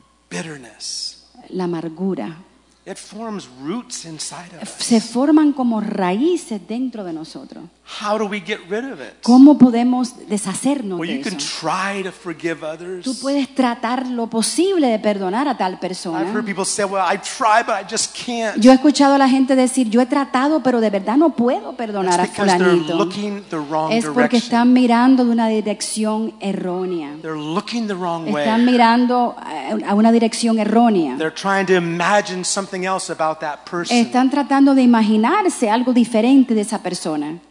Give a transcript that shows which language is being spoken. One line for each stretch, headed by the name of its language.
English: Bitterness.
Spanish: La amargura.
English: It forms roots inside of us.
Spanish: Se forman como raíces dentro de nosotros.
English: How do we get rid of it?
Spanish: ¿Cómo podemos deshacernos de eso?
English: You can try to forgive others.
Spanish: Tú puedes tratar lo posible de perdonar a tal persona.
English: I've heard people say, "Well, I try, but I just can't."
Spanish: Yo he escuchado a la gente decir, "Yo he tratado, pero de verdad no puedo perdonar a fulanito."
English: Because they're looking the wrong direction.
Spanish: Es porque están mirando de una dirección errónea.
English: They're looking the wrong way.
Spanish: Están mirando a una dirección errónea.
English: They're trying to imagine something else about that person.
Spanish: Están tratando de imaginarse algo diferente de esa persona.